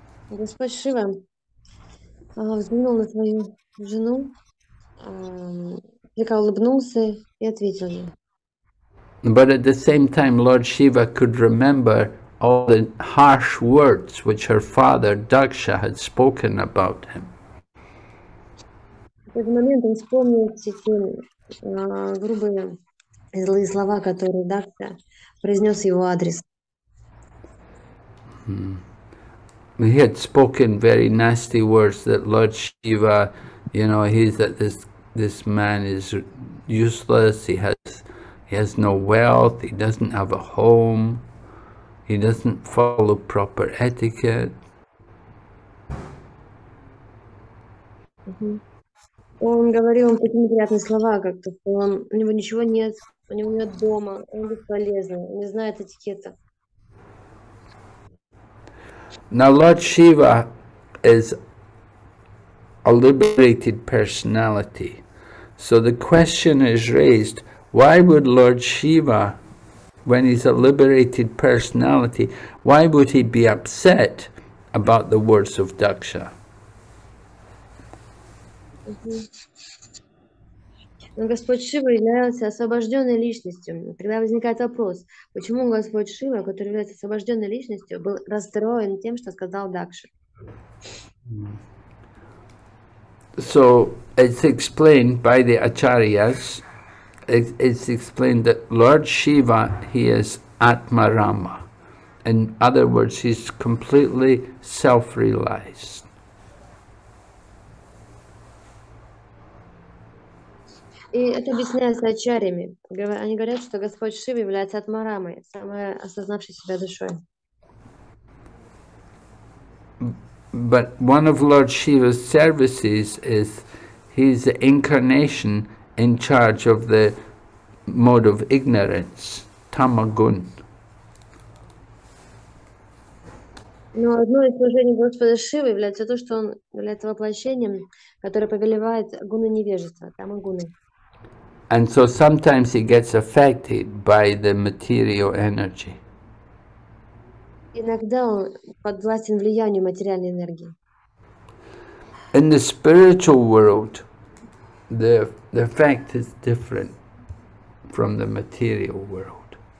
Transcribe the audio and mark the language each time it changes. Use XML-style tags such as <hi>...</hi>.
<ru>Господь Шива взглянул на свою жену, слегка улыбнулся и ответил ей.</ru> <en>But at the same time, Lord Shiva could remember all the harsh words which her father Daksha had spoken about him.</en> <ru>В этот момент он вспомнил все те грубые и злые слова, которые Дакша произнес его адрес.</ru> <en>He had spoken very nasty words that Lord Shiva, you know, he's that this man is useless, he has no wealth, he doesn't have a home, he doesn't follow proper etiquette.</en> <ru>Он говорил ему такие неприятные слова, как-то, что он, у него ничего нет, у него нет дома, он бесполезный, он не знает этикета.</ru> <en>Now Lord Shiva is a liberated personality. So the question is raised, why would Lord Shiva, when he's a liberated personality, why would he be upset about the words of Daksha?</en> <ru>Но Господь Шива является освобожденной личностью. Тогда возникает вопрос, почему Господь Шива, который является освобожденной личностью, был расстроен тем, что сказал Дакша?</ru> <en>So it's explained by the Acharyas. It's explained that Lord Shiva, he is Atmarama. In other words, he's completely self-realized.</en> <ru>И это объясняется ачарьями. Они говорят, что Господь Шива является атмарамой, самой осознавшей себя душой.</ru> <en>But one of Lord Shiva's services is his incarnation in charge of the mode of ignorance, tamagun.</en> <ru>Но одно из служений Господа Шивы является то, что он является воплощением, которое повелевает гуны невежества, тамагуны.</ru> <en>And so sometimes he gets affected by the material energy.</en> <ru>Иногда он подвластен влиянию материальной энергии.</ru> <en>In the spiritual world, the effect is different from the material world.</en>